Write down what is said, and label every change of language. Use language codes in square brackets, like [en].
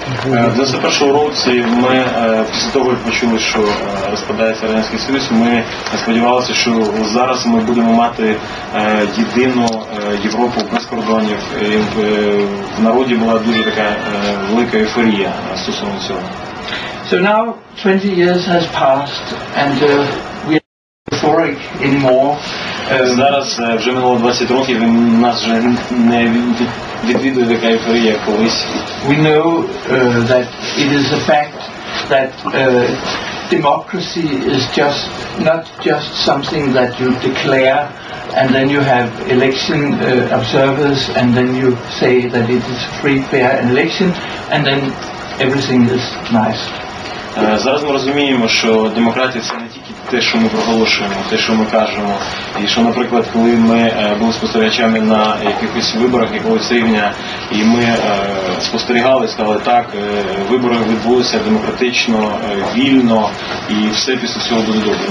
[uk] В 91 році ми, після того, як почули, що розпадається Радянський Союз, ми сподівалися, що зараз ми будемо мати єдину Європу без кордонів. І в народі була дуже така велика ейфорія стосовно цього. [en] So now 20 years has passed and we are not euphoric anymore. [uk] Зараз вже минуло 20 років, і нас вже не відвідувати Кайфорія колись. [en] We know that it is a fact that democracy is just not just something that you declare and then you have election observers and then you say that it is free, fair election and then everything is nice. [uk] Зараз ми розуміємо, що демократія – це не тільки те, що ми проголошуємо, те, що ми кажемо. І що, наприклад, коли ми були спостерігачами на якихось виборах якогось рівня, і ми спостерігали, сказали, так, вибори відбулися демократично, вільно, і все після цього буде добре.